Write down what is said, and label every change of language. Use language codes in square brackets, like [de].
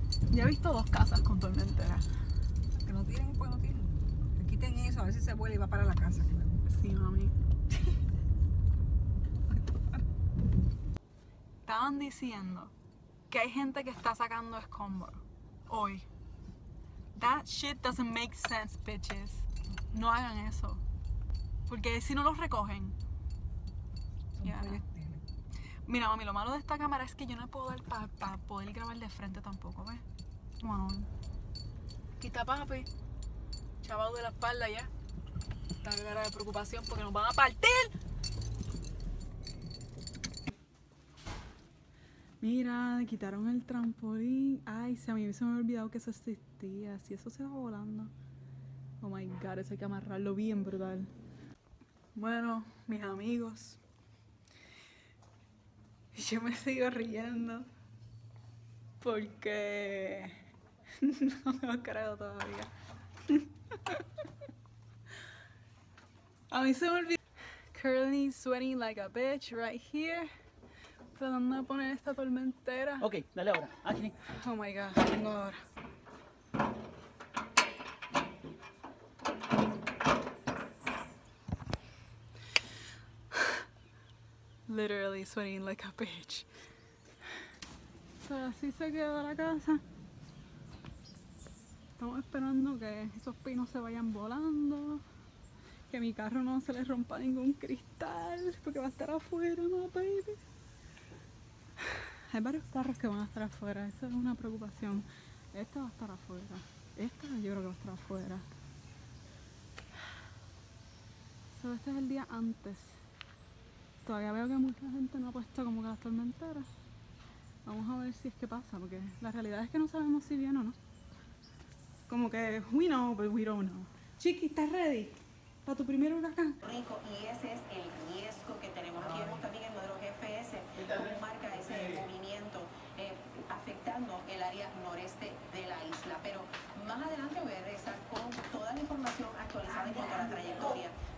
[es] Ya he visto dos casas con tormenteras. Que no tienen, pues no tienen. Que quiten eso, a ver si se vuelve y va para la casa. Sí, mami. Estaban diciendo que hay gente que está sacando escombros hoy. [en] That shit doesn't make sense, bitches. [es] No hagan eso. Porque si no los recogen. Mira, mami, lo malo de esta cámara es que yo no puedo dar para poder grabar de frente tampoco, ¿ves? Bueno. Quita papi. Chaval de la espalda ya. Está cara de preocupación porque nos van a partir. Mira, quitaron el trampolín. Ay, a mí se me había olvidado que eso existía. Si eso se va volando. [en] Oh my God, [es] eso hay que amarrarlo bien brutal. Bueno, mis amigos. Yo me sigo riendo. Porque. No me lo creo todavía. A mí se me olvidó. [en] Currently sweating like a bitch right here. [es] Tratando de poner esta tormentera. Ok, dale ahora. Aquí. [en] Oh my God, [es] tengo ahora. [en] Sweating like a bitch. [es] Así se quedó la casa. Estamos esperando que esos pinos se vayan volando. Que mi carro no se le rompa ningún cristal. Porque va a estar afuera, no, baby. Hay varios carros que van a estar afuera, eso es una preocupación. Esta va a estar afuera. Esta yo creo que va a estar afuera. Solo este es el día antes. Todavía veo que mucha gente no ha puesto como que las tormenteras. Vamos a ver si es que pasa, porque la realidad es que no sabemos si viene o no. Como que [en] we know, but we don't know. [es] Chiqui, ¿estás ready? Para tu primer huracán. Rico, y ese es el riesgo que tenemos. Aquí vemos también el modelo GFS, cómo marca ese movimiento afectando el área noreste de la isla. Pero más adelante voy a regresar con toda la información actualizada en cuanto a la trayectoria.